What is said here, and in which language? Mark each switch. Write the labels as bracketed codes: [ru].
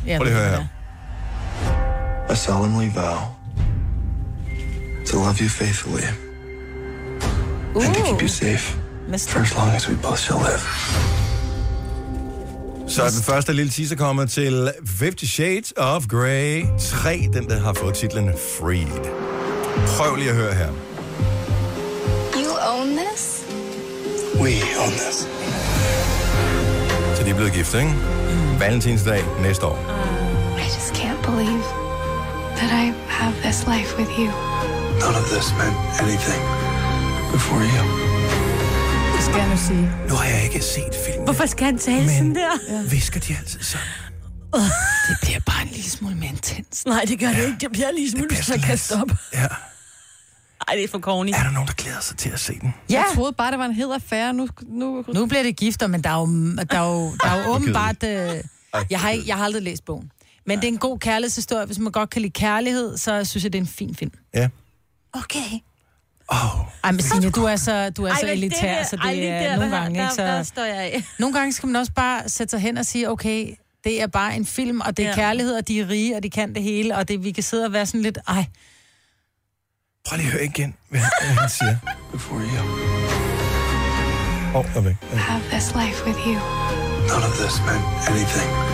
[da] Ja, prøv lige at høre her. [en] I solemnly vow to love you faithfully. And to keep you safe for as long as we both shall live. [da] Så er den første lille teaser kommet til 50 Shades of Grey 3, den der har fået titlen Freed. Prøv lige at høre her. [en] You own this? We own this. [da] Så de er blevet gift, ikke? Mm. Valentinsdag næste år. [en] I just can't believe that I have this life with you. None of this meant anything. Before you. [da] Hvad skal jeg nu sige? Nu har jeg ikke set filmen. Hvorfor skal han tale sådan der? Men visker de altid så? Det bliver bare en lille smule mere intens. Nej, det gør det ikke. Det bliver en lille smule, hvis jeg kaster op. Ja. Ej, det er for corny. Er der nogen, der glæder sig til at se den? Ja. Jeg troede bare, det var en hed affære. Nu bliver det gifter, men der er jo åbenbart... Jeg har aldrig læst bogen. Men det er en god kærlighedshistorie. Hvis man godt kan lide kærlighed, så synes jeg, det er en fin film. Ja. Okay. Oh, ej, men Signe, du er så elitær, så det er nogle gange, der, ikke? Så, der står jeg af. Nogle gange skal man også bare sætte sig hen og sige, okay, det er bare en film, og det er kærlighed, og de er rige, og de kan det hele, og det, vi kan sidde og være sådan lidt, ej. Prøv lige at høre igen, hvad han siger. [en] Before you. Oh, okay. I have this life with you. None of this meant anything.